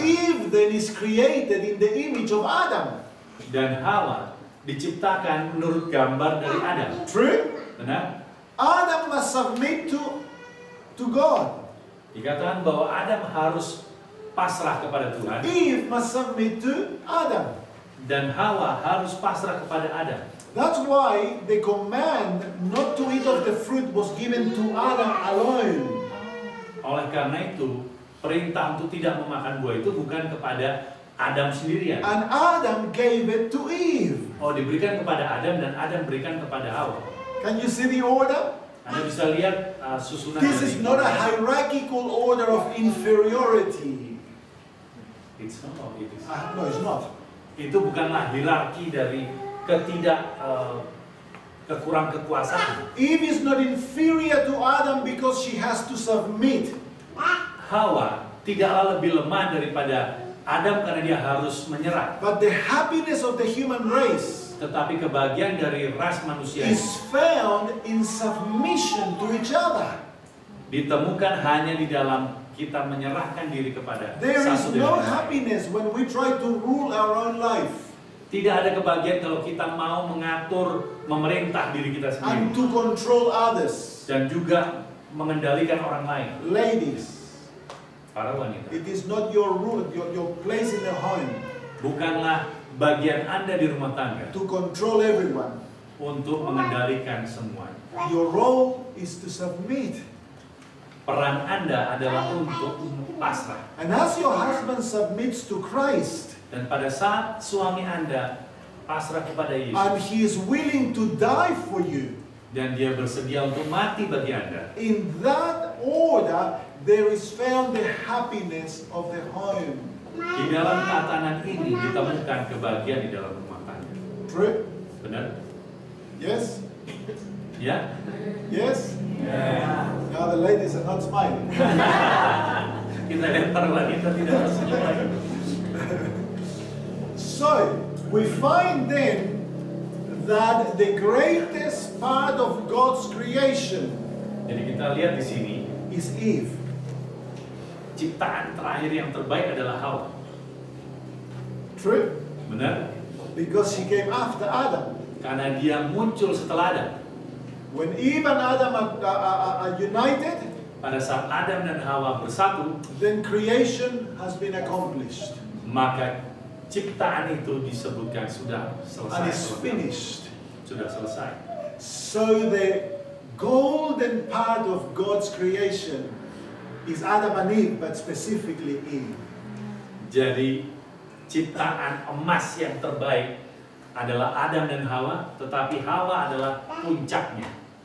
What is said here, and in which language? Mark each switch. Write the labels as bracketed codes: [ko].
[en] Eve then is created in the image of Adam. [id] Dan Hawa diciptakan menurut gambar dari Adam. [en] True. [id] Benar. [en] Adam must submit to God. [id] Dikatakan bahwa Adam harus pasrah kepada Tuhan. [en] Eve must submit to Adam. [id] Dan Hawa harus pasrah kepada Adam. [en] That's why the command not to eat of the fruit was given to Adam alone. [id] Oleh karena itu, perintah untuk tidak memakan buah itu bukan kepada Adam sendirian. [en] And Adam gave it to Eve. [id] Oh, diberikan kepada Adam dan Adam berikan kepada Hawa. [en] Can you see the order? [id] Anda bisa lihat susunan. [en] This is not a hierarchical order of inferiority. It's not. It is. No, it's not. [id] Itu bukanlah hierarki dari ketidak kekurang kekuasaan. [en] Eve is not inferior to Adam because she has to submit. [id] Hawa tidaklah lebih lemah daripada Adam karena dia harus menyerah. [en] But the happiness of the human race, [id] tetapi kebahagiaan dari ras manusia, [en] is found in submission to each other. [id] Ditemukan hanya di dalam kita menyerahkan diri kepada [en] there [id] satu dengan lain. [en] Happiness when we try to rule our own life. [id] Tidak ada kebahagiaan kalau kita mau mengatur, memerintah diri kita sendiri. [en] And to control others. [id] Dan juga mengendalikan orang lain. [en] Ladies, [id] para wanita. [en] It is not your root, your place in the home. [id] Bukanlah bagian Anda di rumah tangga. [en] To control everyone. [id] Untuk mengendalikan semuanya. [en] Your role is to submit. [id] Peran Anda adalah untuk pasrah. [en] And as your husband submits to Christ, [id] dan pada saat suami Anda pasrah kepada Yesus, [en] and he is willing to die for you, [id] dan dia bersedia untuk mati bagi Anda, [en] in that order there is found the happiness of the home. [id] Di dalam tatanan ini ditemukan kebahagiaan di dalam rumah tangga. [en] True. [id] Benar. [en] Yes. [id] Ya. Yeah. [en] Yes. Yeah. Now the ladies are not smiling. [id] Kita lihat para wanita tidak senyum lagi. [en] So we find then that the greatest part of God's creation, [id] jadi kita lihat di sini, [en] is Eve. [id] Ciptaan terakhir yang terbaik adalah Hawa. [en] True. [id] Benar. [en] Because she came after Adam. [id] Karena dia muncul setelah Adam. [en] When Eve and Adam are united, [id] pada saat Adam dan Hawa bersatu, [en] then creation has been accomplished. [id] Maka ciptaan itu disebutkan sudah selesai. [en] And it's finished. [id] Sudah selesai. [en] So the golden part of God's creation is Adam and Eve, but specifically Eve. [id] Jadi ciptaan emas yang terbaik adalah Adam dan Hawa, tetapi Hawa adalah puncaknya.